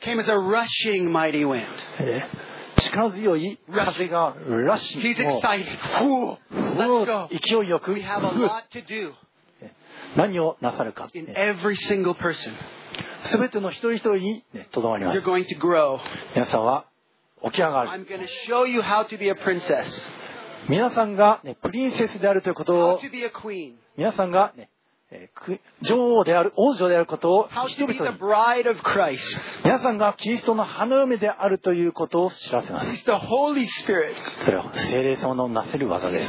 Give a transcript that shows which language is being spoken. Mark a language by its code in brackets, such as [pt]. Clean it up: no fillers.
[en] came as a rushing mighty wind. [ja] 力強い風がラッシング [en] 。 He's excited. Let's go. [ja] 勢いよく。 [en] We have a lot to do. [ja] 何をなさるか。 [en] In every single person. [ja] 全ての一人一人に、ね、とどまります。 [en] You're going to grow. [ja] 皆さんは起き上がる。 [en] I'm going to show you how to be a princess. [ja] 皆さんが、ね、プリンセスであるということを、 [en] how to be a queen. [ja] 皆さんが、ね、女王である、王女であることを、 [en] how to be the bride of Christ. [ja] 皆さんがキリストの花嫁であるということを知らせます。 [en] It's the Holy Spirit. [ja] それは聖霊様のなせる技です。